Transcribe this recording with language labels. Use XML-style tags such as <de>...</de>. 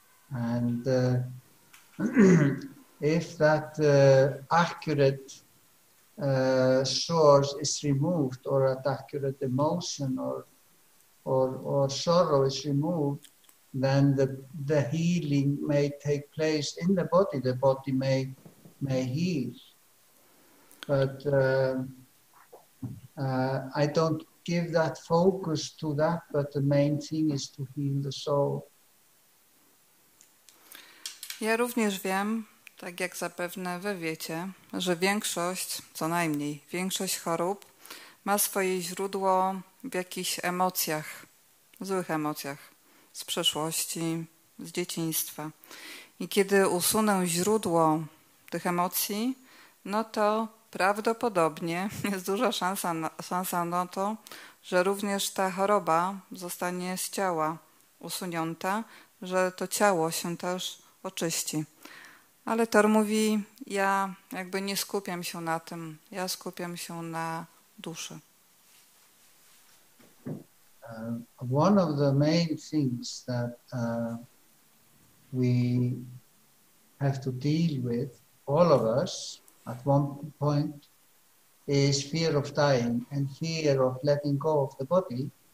<en>And if that accurate source is removed, or an accurate emotion or sorrow is removed, then the healing may take place in the body. The body may heal. But I don't give that focus to that, but the main thing is to heal the soul.</en> <pl>Ja również wiem, tak jak zapewne wy wiecie, że większość, co najmniej większość chorób ma swoje źródło w jakichś emocjach, złych emocjach z przeszłości, z dzieciństwa. I kiedy usunę źródło tych emocji, no to prawdopodobnie jest duża szansa na to, że również ta choroba zostanie z ciała usunięta, że to ciało się też oczyści. Ale Thor mówi, ja jakby nie skupiam się na tym, ja skupiam się na duszy.</pl> <en>One of the main things that we have to deal with, all of us, at one point, is fear of dying and fear of letting go of the body.</en>